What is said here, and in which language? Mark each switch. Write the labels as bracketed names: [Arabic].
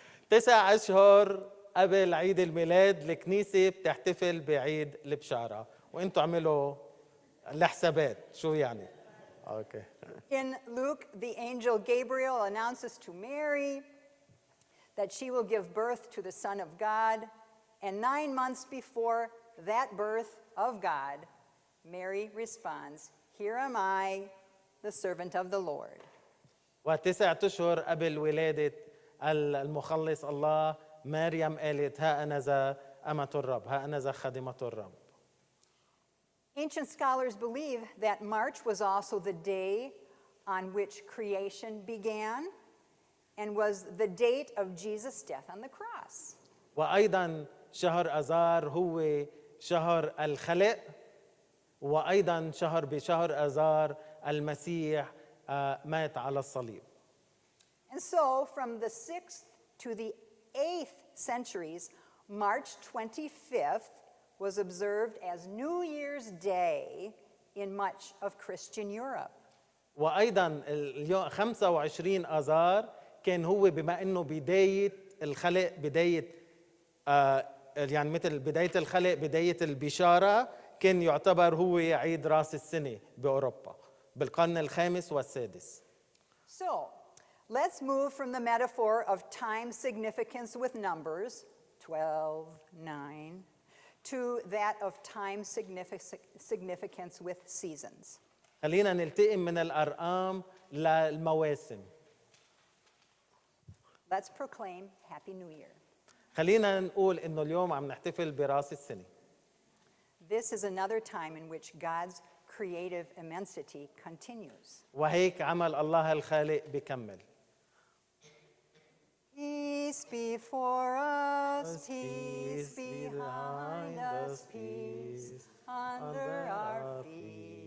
[Arabic] تسع أشهر قبل عيد الميلاد الكنيسة بتحتفل بعيد البشارة وانتوا عملوا الحسابات شو يعني. [English] Okay. In Luke, the angel Gabriel announces to Mary that she will give birth to the Son of God, and 9 months before that birth of God, Mary responds, "Here am I, the servant of the Lord." [Arabic] وتسع أشهر قبل ولادة المخلص الله مريم قالت ها أنا ذا أمة الرب ها أنا ذا خادمة الرب. [English] Ancient scholars believe that March was also the day on which creation began and was the date of Jesus' death on the cross. [Arabic] وأيضا شهر أذار هو شهر الخلق وأيضا شهر بشهر أذار المسيح مات على الصليب. [English] And so, from the 6th to the 8th centuries, March 25th was observed as New Year's Day in much of Christian Europe. [Arabic] وأيضاً اليوم 25 آذار كان هو بما إنه بداية الخلق بداية يعني مثل بداية الخلق بداية البشارة كان يعتبر هو عيد رأس السنة بأوروبا بالقرن الخامس والسادس. [English] So, let's move from the metaphor of time significance with numbers, 12, 9, to that of time significance with seasons. [Arabic] خلينا نلتقي من الأرقام للمواسم. [English] Let's proclaim Happy New Year. [Arabic] خلينا نقول إنه اليوم عم نحتفل برأس السنة. [English] This is another time in which God's creative immensity continues. [Arabic] وهيك عمل الله الخالق بيكمل. [English] Peace before us, peace behind us, peace under our feet.